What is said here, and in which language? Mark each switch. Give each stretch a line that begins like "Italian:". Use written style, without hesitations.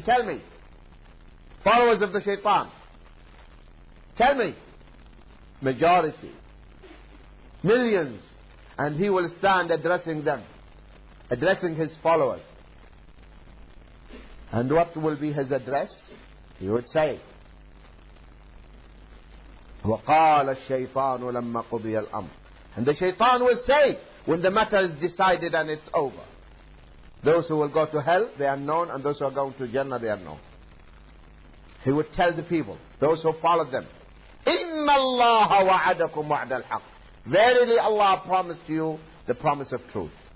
English: Tell me, followers of the shaitan, tell me, majority, millions. And he will stand addressing them, addressing his followers. And what will be his address? He would say,
Arabic: وَقَالَ الشَّيْطَانُ لَمَّا قُضِيَ الْأَمْرِ.
English: And the shaitan will say, when the matter is decided and it's over, those who will go to hell, they are known, and those who are going to Jannah, they are known. He would tell the people, those who followed them,
Arabic: إِنَّ اللَّهَ وَعَدَكُمْ وَعْدَ الْحَقِّ.
English: Verily Allah promised you the promise of truth.